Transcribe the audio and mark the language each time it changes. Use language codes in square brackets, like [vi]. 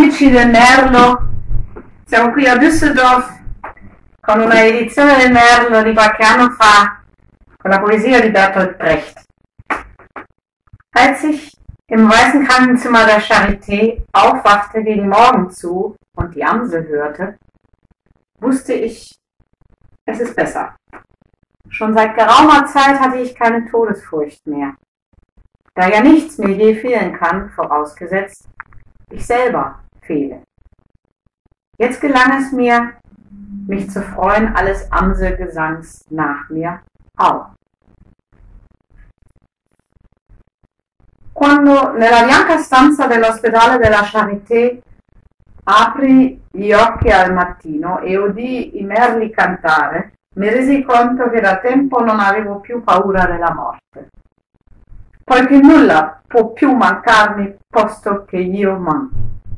[it] del Merlo, siamo qui a Düsseldorf con una edizione del Merlo di qualche anno fa, con la poesia di Bertolt Brecht. [de] Als ich im weißen Krankenzimmer der Charité aufwachte gegen Morgen zu und die Amsel hörte, wusste ich, es ist besser. Schon seit geraumer Zeit hatte ich keine Todesfurcht mehr, da ja nichts mir je fehlen kann, vorausgesetzt, ich selber fehle. Jetzt gelang es mir, mich zu freuen alles Amselgesangs nach mir auch. [it] Quando nella bianca stanza dell'ospedale della Charité apri gli occhi al mattino e udì i merli cantare, mi resi conto che da tempo non avevo più paura della morte, poiché nulla può più mancarmi posto che io manchi.